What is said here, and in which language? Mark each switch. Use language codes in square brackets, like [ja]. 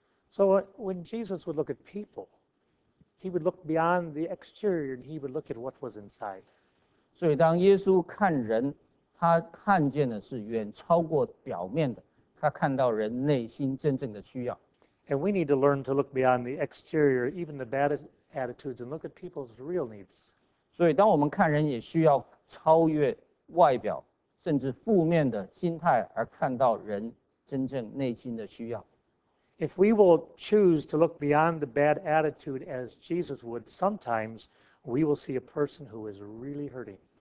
[en] So when Jesus would look at people, he would look beyond the exterior and he would look at what was inside. [zh] 所以当耶稣看人，他看见的是远超过表面的，他看到人内心真正的需要。 [en] And we need to learn to look beyond the exterior, even the bad attitudes, and look at people's real needs. [zh] 所以当我们看人，也需要超越外表，甚至负面的心态，而看到人真正内心的需要。 [en] If we will choose to look beyond the bad attitude as Jesus would, sometimes we will see a person who is really hurting.